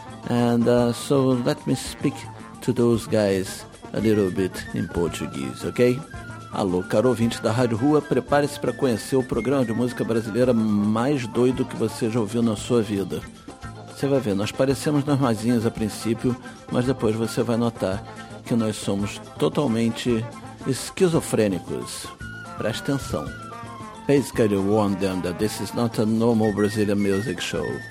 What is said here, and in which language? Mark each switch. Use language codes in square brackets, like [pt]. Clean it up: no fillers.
[en] And so let me speak to those guys a little bit in Portuguese, ok? [pt] Alô, caro ouvinte da Rádio Rua, prepare-se para conhecer o programa de música brasileira mais doido que você já ouviu na sua vida. Você vai ver, nós parecemos normazinhas a princípio, mas depois você vai notar que nós somos totalmente esquizofrênicos. Preste atenção. [en] Basically, warn them that this is not a normal Brazilian music show.